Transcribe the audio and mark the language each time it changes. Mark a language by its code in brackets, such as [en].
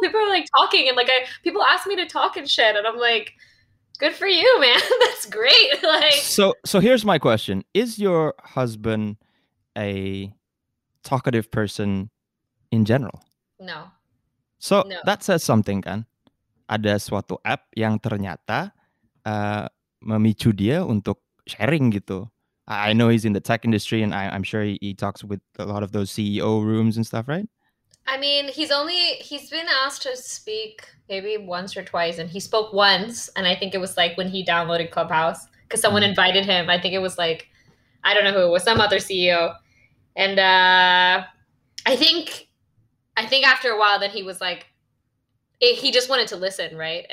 [en] People are like talking, and like people ask me to talk and shit, and I'm like, good for you, man. That's great. Like, so here's my question: is your husband a talkative person in general? No. So no. That says something, kan? [id] Ada suatu app yang ternyata memicu dia untuk sharing gitu. [en] I know he's in the tech industry, and I'm sure he talks with a lot of those CEO rooms and stuff, right? I mean, he's been asked to speak maybe once or twice, and he spoke once, and I think it was like when he downloaded Clubhouse because someone invited him. I think it was like, I don't know who it was, some other CEO, and I think after a while that he was like, he just wanted to listen, right?